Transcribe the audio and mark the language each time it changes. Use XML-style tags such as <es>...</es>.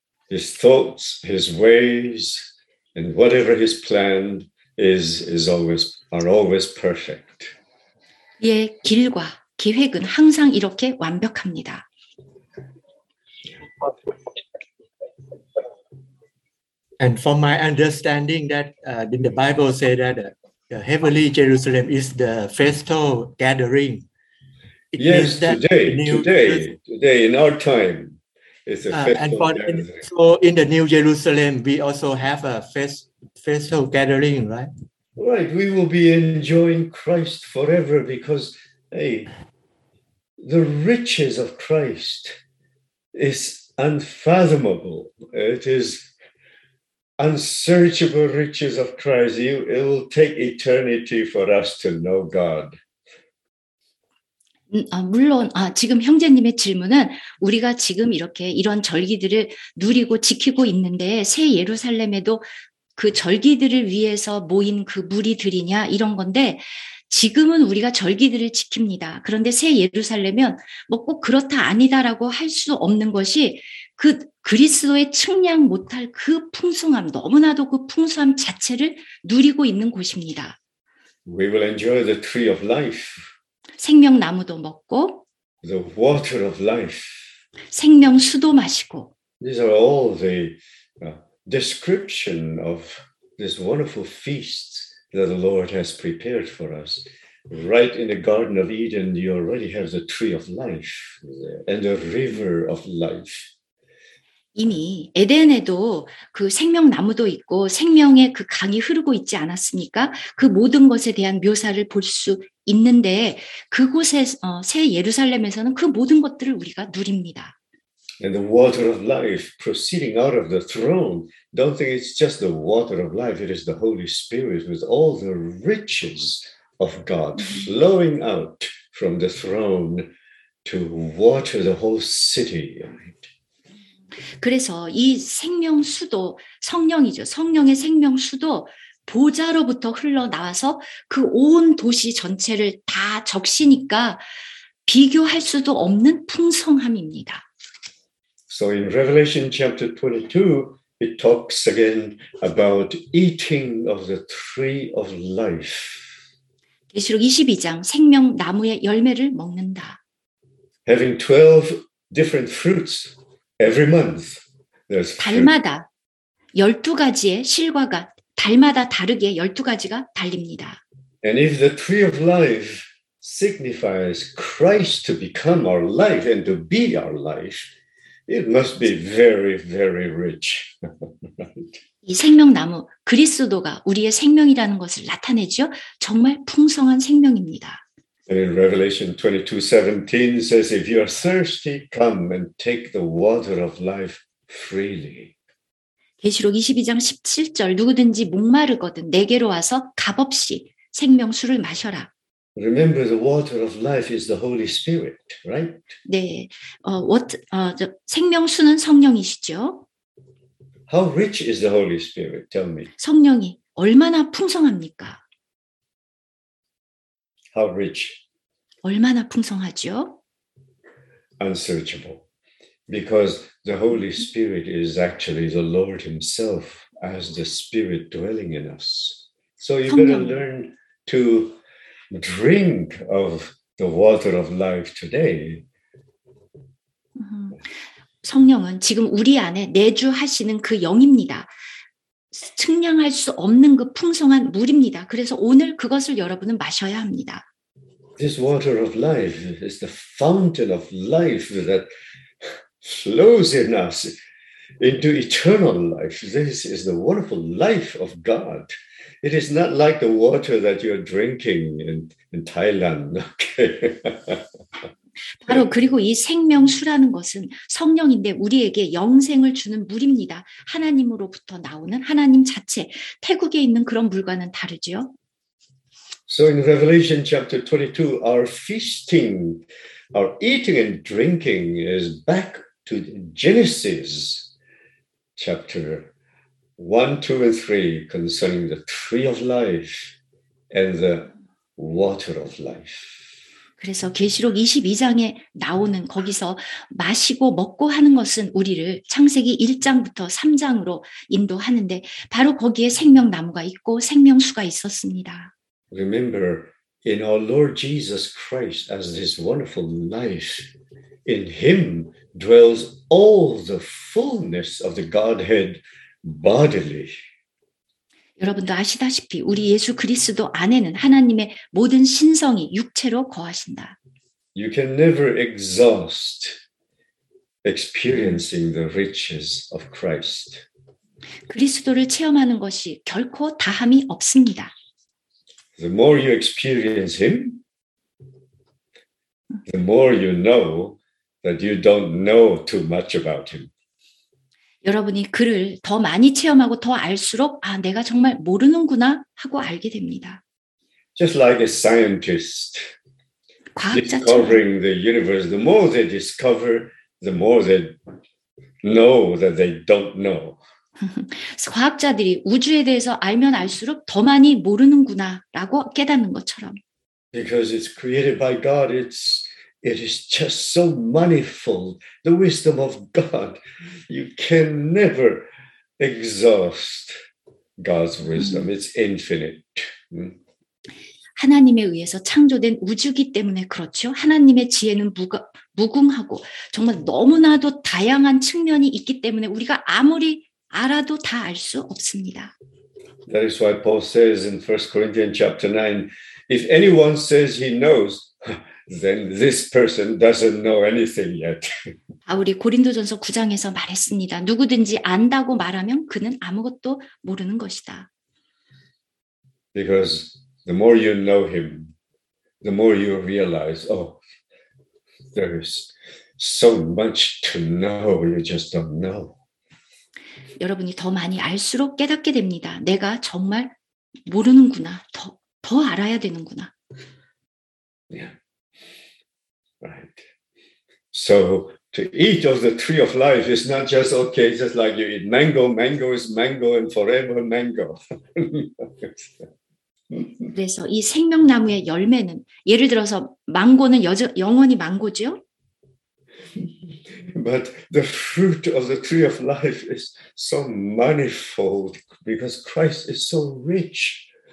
<en>His thoughts, his ways, and whatever his plan is always are always perfect.</en> <ko>예, 길과 계획은 항상 이렇게 완벽합니다.</ko> <en>And from my understanding that in the Bible say that the heavenly Jerusalem is the festal gathering. It yes, today in our time it's a festal gathering. So in the New Jerusalem we also have a festal gathering, right? Right, we will be enjoying Christ forever because the riches of Christ is unfathomable. It is unsearchable riches of Christ. It will take eternity for us to know God.</en> <ko>물론 지금 형제님의 질문은 우리가 지금 이렇게 이런 절기들을 누리고 지키고 있는데 새 예루살렘에도 그 절기들을 위해서 모인 그 무리들이냐 이런 건데 지금은 우리가 절기들을 지킵니다. 그런데 새 예루살렘은 뭐 꼭 그렇다 아니다라고 할 수 없는 것이 그 그리스도의 측량 못할 그 풍성함, 너무나도 그 풍성함 자체를 누리고 있는 곳입니다.</ko> <en>We will enjoy the tree of life.</en> <ko>생명나무도 먹고</ko> <en>the water of life.</en> <ko>생명수도 마시고</ko> <en>These are all the description of this wonderful feast that the Lord has prepared for us. Right in the Garden of Eden, you already have the tree of life and the river of life.</en> <ko>이미 에덴에도 그 생명나무도 있고 생명의 그 강이 흐르고 있지 않았습니까? 그 모든 것에 대한 묘사를 볼 수 있는데 그곳에 새 예루살렘에서는 그 모든 것들을 우리가 누립니다.</ko> <en>And the water of life proceeding out of the throne. Don't think it's just the water of life. It is the Holy Spirit with all the riches of God flowing out from the throne to water the whole city.</en> <ko>그래서 이 생명수도 성령이죠. 성령의 생명수도 보좌로부터 흘러나와서 그 온 도시 전체를 다 적시니까 비교할 수도 없는 풍성함입니다.</ko> <en>So in Revelation chapter 22, it talks again about eating of the tree of life.</en> <ko>계시록 22장 생명나무의 열매를 먹는다.</ko> <en>Having 12 different fruits. Every month, there's</en> <ko>달마다 12가지의 실과가 달마다 다르게 12가지가 달립니다.</ko> <en>And if the tree of life signifies Christ to become our life and to be our life, it must be very, very rich.</en> <ko>이 생명나무, 그리스도가 우리의 생명이라는 것을 나타내죠. 정말 풍성한 생명입니다.</ko> <en>And in Revelation 22:17 says, "If you are thirsty, come and take the water of life freely."</en> <ko>계시록 22장 17절 누구든지 목마르거든 내게로 와서 값없이 생명수를 마셔라.</ko> <en>Remember, the water of life is the Holy Spirit, right?</en> <ko>네, 생명수는 성령이시죠.</ko> <en>How rich is the Holy Spirit? Tell me.</en> <ko>성령이 얼마나 풍성합니까?</ko> <en>How rich?</en> <ko>얼마나 풍성하죠?</ko> <en>Unsearchable. Because the Holy Spirit is actually the Lord himself as the Spirit dwelling in us. So you better learn to drink of the water of life today.</en> <ko>성령은 지금 우리 안에 내주하시는 그 영입니다. 측량할 수 없는 그 풍성한 물입니다. 그래서 오늘 그것을 여러분은 마셔야 합니다.</ko> <en>This water of life is the fountain of life that flows in us into eternal life. This is the wonderful life of God. It is not like the water that you're drinking in Thailand. Okay.</en> <ko>바로 그리고 이 생명수라는 것은 성령인데 우리에게 영생을 주는 물입니다. 하나님으로부터 나오는 하나님 자체, 태국에 있는 그런 물과는 다르죠.</ko> <en>So in Revelation chapter 22, our feasting, our eating and drinking is back to Genesis chapter 1, 2, and 3 concerning the tree of life and the water of life.</en> <ko>그래서 계시록 22장에 나오는 거기서 마시고 먹고 하는 것은 우리를 창세기 1장부터 3장으로 인도하는데 바로 거기에 생명나무가 있고 생명수가 있었습니다.</ko> <en>Remember in our Lord Jesus Christ as this wonderful life in him dwells all the fullness of the Godhead bodily.</en> <ko>여러분도 아시다시피 우리 예수 그리스도 안에는 하나님의 모든 신성이 육체로 거하신다.</ko> <en>You can never exhaust experiencing the riches of Christ.</en> <ko>그리스도를 체험하는 것이 결코 다함이 없습니다.</ko> <en>The more you experience him, the more you know that you don't know too much about him.</en> <ko>여러분이 그를 더 많이 체험하고 더 알수록 아 내가 정말 모르는구나 하고 알게 됩니다.</ko> <en>Just like a scientist</en> <ko>과학자처럼.</ko> <en>discovering the universe, the more they discover, the more they know that they don't know.</en> <ko>과학자들이 우주에 대해서 알면 알수록 더 많이 모르는구나라고 깨닫는 것처럼.</ko> <en>Because it's created by God, it is just so manifold, the wisdom of God. You can never exhaust God's wisdom. It's infinite.</en> <ko>하나님에 의해서 창조된 우주기 때문에 그렇죠. 하나님의 지혜는 무궁하고 정말 너무나도 다양한 측면이 있기 때문에 우리가 아무리 알아도 다 알 수 없습니다.</ko> <en>That is why Paul says in 1 Corinthians chapter 9, if anyone says he knows, then this person doesn't know anything yet.</en> <ko>바울이 고린도전서 9장에서 말했습니다. 누구든지 안다고 말하면 그는 아무것도 모르는 것이다.</ko> <en>Because the more you know him, the more you realize, there is so much to know, you just don't know.</en> <ko>여러분이 더 많이 알수록 깨닫게 됩니다. 내가 정말 모르는구나, 더 알아야 되는구나.</ko> <en>Yeah. So to eat of the tree of life is not just okay, just like you eat mango. Mango is mango and forever mango.</en> <ko>그래서 이 생명나무의 열매는 예를 들어서 망고는 영원히 망고죠.</ko> <en>But the fruit of the tree of life is so manifold because Christ is so rich.</en>